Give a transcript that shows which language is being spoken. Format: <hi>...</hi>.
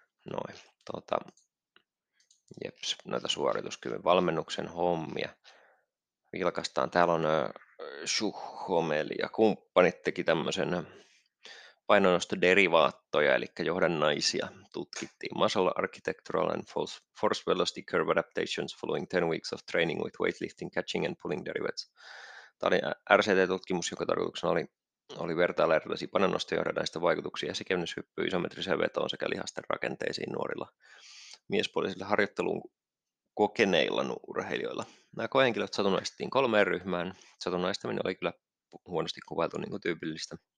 <fi>Noin. Jeps, noita suorituskyvyn valmennuksen hommia. Vilkaistaan. Täällä on Schuhomeli ja kumppanit teki tämmöisen painonnostoderivaattoja, eli johdannaisia tutkittiin.</fi> <en>Muscle architectural and force velocity curve adaptations following 10 weeks of training with weightlifting, catching and pulling derivatives.</en> <fi>Tämä oli RCT-tutkimus, joka tarkoituksena oli vertailla erilaisia painonnostojohdannaisten vaikutuksia esikevennyshyppyyn, isometriseen vetoon sekä lihasten rakenteisiin nuorilla miespuolisille harjoitteluun kokeneilla urheilijoilla. Nämä koehenkilöt satunnaistettiin 3 ryhmään. Satunnaistaminen oli kyllä huonosti kuvailtu niin kuin tyypillistä.</fi>